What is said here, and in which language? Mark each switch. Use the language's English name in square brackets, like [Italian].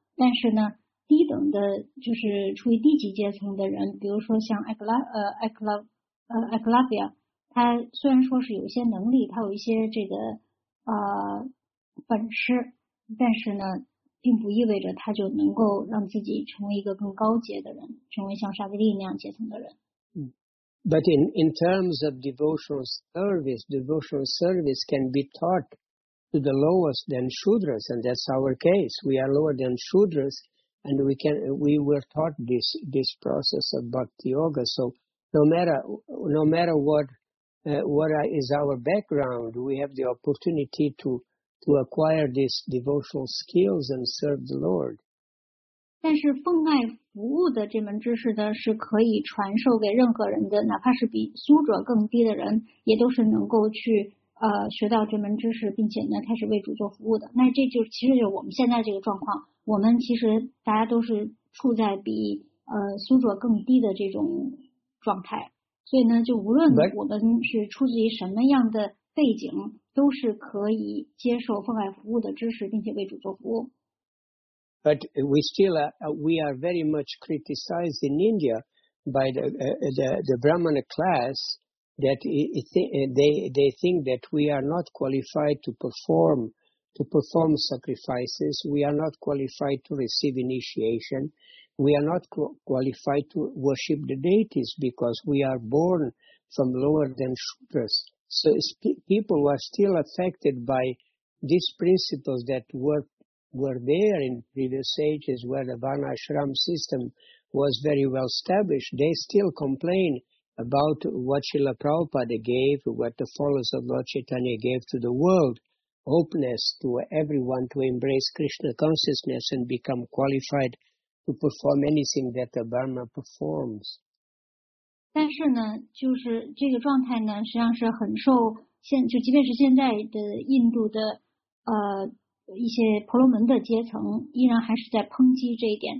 [Chinese] 但是呢，低等的，就是处于低级阶层的人，比如说像Ekalavya。他虽然说是有一些能力，他有一些这个本事，但是呢，并不意味着他就能够让自己成为一个更高阶的人，成为像刹帝利那样阶层的人。 [English] But in terms of devotional service can be taught to the lowest than Shudras, and that's our case. We are lower than Shudras, and we were taught this process of Bhakti Yoga. So no matter what is our background, we have the opportunity to acquire these devotional skills and serve the Lord. [Chinese] 但是奉爱服务的这门知识呢，是可以传授给任何人的，哪怕是比苏卓更低的人，也都是能够去学到这门知识，并且呢开始为主做服务的。那这就其实就是我们现在这个状况，我们其实大家都是处在比苏卓更低的这种状态，所以呢就无论我们是出自于什么样的背景，都是可以接受奉爱服务的知识，并且为主做服务。 [English] But we still we are very much criticized in India by the Brahmin class that they think that we are not qualified to perform sacrifices. We are not qualified to receive initiation. We are not qualified to worship the deities because we are born from lower than Shudras. So people are still affected by these principles that were there in previous ages where the Varnashram system was very well established. They still complain about what Srila Prabhupada gave, what the followers of Lord Chaitanya gave to the world, openness to everyone to embrace Krishna consciousness and become qualified to perform anything that the Brahma performs. [Chinese] 但是呢，就是这个状态呢，实际上是很受现，就即便是现在的印度的一些婆罗门的阶层，依然还是在抨击这一点。